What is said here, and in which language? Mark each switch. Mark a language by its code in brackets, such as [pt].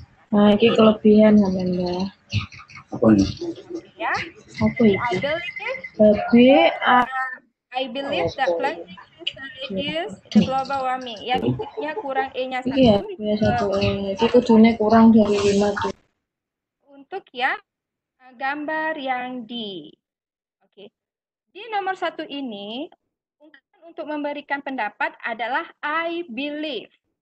[id] Nah, ini kelebihan, Amanda. Apa ini? Ya. Apa ini? [en] Tapi, I believe that planting trees can reduce the global warming. [id] Ya, titiknya kurang E-nya satu. Iya, punya satu E. Jadi kudunya kurang dari 5. Untuk ya, gambar yang di. Oke. Di nomor 1 ini, untuk memberikan pendapat adalah [en] I believe.